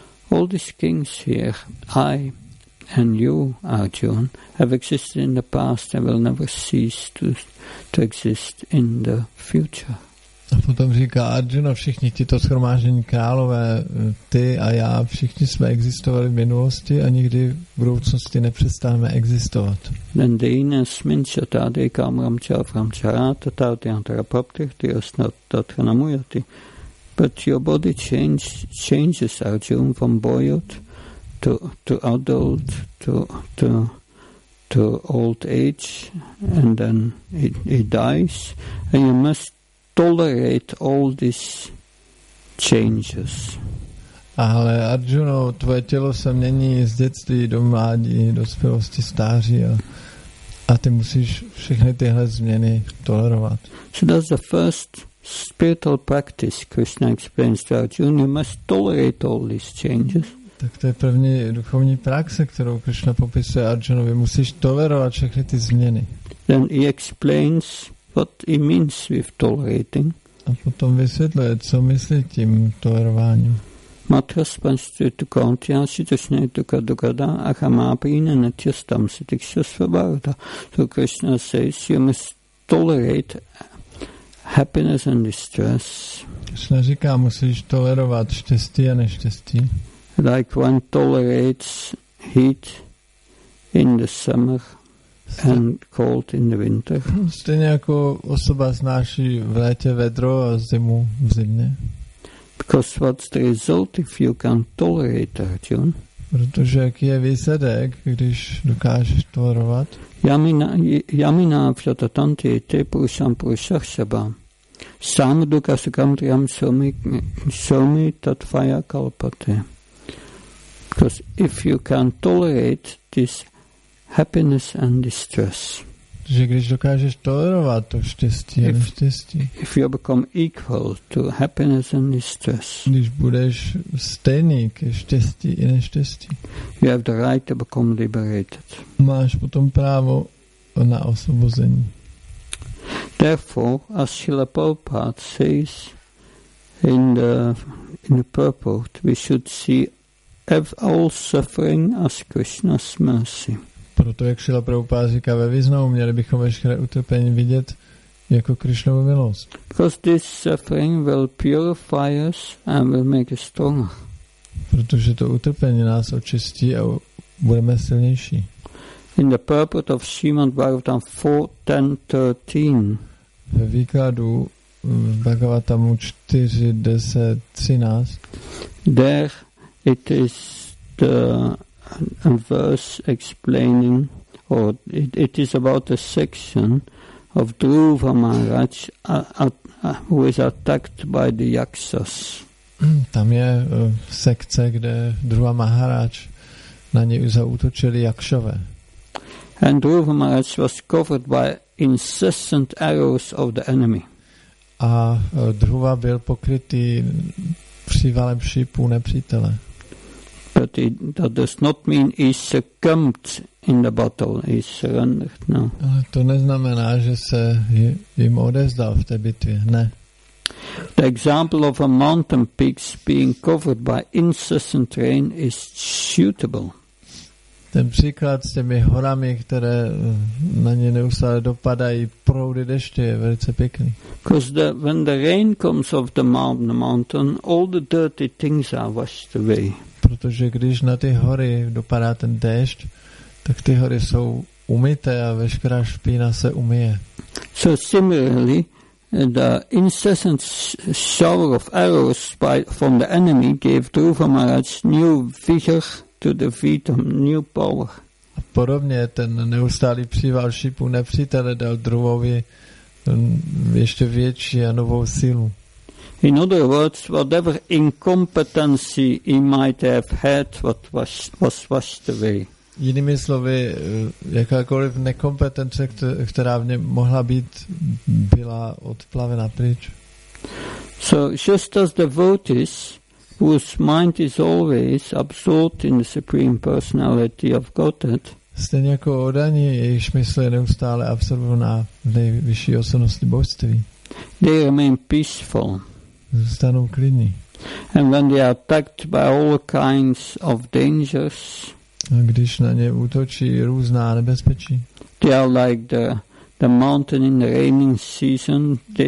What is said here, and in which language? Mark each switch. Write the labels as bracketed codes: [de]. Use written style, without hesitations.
[en] All these kings here, I and you, Arjun, have existed in the past and will never cease to exist in the future. [cs] A potom říká Arjuna, všichni tito shromáždění králové, ty a já, všichni jsme existovali v minulosti a nikdy v budoucnosti nepřestaneme existovat. Then the inas mincha tady kamram cha vram cha rata tady antara paptih ty osnat tatra namujati. [en] But your body changes, Arjuna, from boyhood to adult to old age, and then it dies, and you must tolerate all these changes. [cs] Ale Arjuno, tvoje tělo se mění z dětství do mládí, do dospělosti, stáří a ty musíš všechny tyhle změny tolerovat. [en] So that's the first spiritual practice Krishna explains to Arjuna. You must tolerate all these changes. [cs] Tak to je první duchovní praxe, kterou Krishna popisuje Arjunovi. Musíš tolerovat všechny ty změny. [en] Then he explains what he means with tolerating. [cs] A potom vysvětluje, co myslí tím tolerováním. Matraspanstvě tu kontia, sitošně tu kadugada, achamápíne, netěstam se tyksa svabarda. [en] So Krishna says, you must tolerate happiness and distress. [cs] Krishna říká, musíš tolerovat štěstí a neštěstí. [en] Like one tolerates heat in the summer and cold in the winter. [cs] Stejně jako osoba znáší v létě vedro a zimu v zimě. [en] Because what's the result if you can tolerate that, you know? [cs] Protože jaký je výsledek, když dokážeš tolerovat? [sa] Yamina vjata tanti te purusham purushah sabam. Sam duka sukam triam somi tatvaya kalpate. [en] Because if you can tolerate this happiness and distress, [cs] že když dokážeš tolerovat to štěstí a neštěstí, [en] if you become equal to happiness and distress, [cs] když budeš stejný ke štěstí i neštěstí, [en] you have the right to become liberated. [cs] Máš potom právo na osvobození. [en] Therefore, as Srila Prabhupada says in the purport, we should see have all suffering as Krishna's mercy. [cs] Proto jak Srila Prabhupada říká ve Vyznavu, měli bychom veškeré utrpení vidět jako Krishnovu milost. [en] Because this suffering will purify us and will make us stronger. [cs] Protože to utrpení nás očistí a budeme silnější. [en] In the purport of Srimad Bhagavatam 4.10.13. [cs] Ve výkladu v Bhagavatamu 4.10.13. [en] There it is the verse explaining, or it is about a section of Dhruva Maharaj who is attacked by the Yakshas. [cs] Tam je sekce, kde Dhruva Maharaj, na něj zaútočili Yakshové. [en] And Dhruva Maharaj was covered by incessant arrows of the enemy. [cs] A Dhruva byl pokrytý přívalem šípů nepřítele. [en] But that does not mean he succumbed in the battle. He surrendered. No. [cs] Ale to neznamená, že se jim odezdal v té bitvě. Ne. [en] The example of a mountain peak being covered by incessant rain is suitable. [cs] Ten příklad s těmi horami, které na ně neustále dopadají proudy deště, je velice pěkný. [en] Because when the rain comes off the mountain, all the dirty things are washed away. [cs] Protože když na ty hory dopadá ten déšť, tak ty hory jsou umyté a veškerá špína se umyje. [en] So similarly, the incessant shower of arrows from the enemy gave Dhruva Maharaj new vigor to the vitam, new power. [cs] A podobně ten neustálý příval šípů nepřítele dal druhovi ještě větší a novou sílu. [en] In other words, whatever incompetency he might have had, what was washed away. [cs] Jinými slovy, jakákoliv nekompetence, která v něm mohla být, byla odplavena pryč. [en] So just as the devotees whose mind is always absorbed in the supreme personality of Godhead. [cs] Stejně jako oddaní, jejichž mysl je neustále absorbovaná v nejvyšší osobnosti božství. [en] They remain peaceful. [cs] Zůstanou klidní. [en] And when they are attacked by all kinds of dangers. [cs] A když na ně útočí různá nebezpečí. [en] They are like the mountain in the raining season.